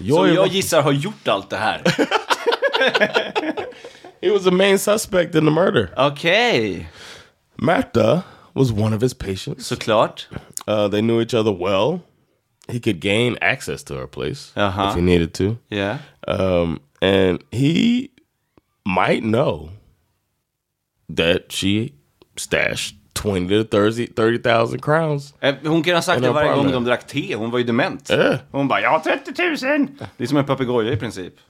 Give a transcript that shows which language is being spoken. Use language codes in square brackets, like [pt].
[sv] Jag gissar har gjort allt det här. [en] He was the main suspect in the murder. Okay. Märta was one of his patients. [sv] Såklart. [en] They knew each other well. He could gain access to her place if he needed to. Yeah. And he might know that she stashed 20 to 30,000 crowns. [sv] Hon kan ha sagt det varje gång de drack te. Hon var ju dement. [en] Yeah. [sv] Hon bara, jag har 30,000. Det är som en papegoja i princip.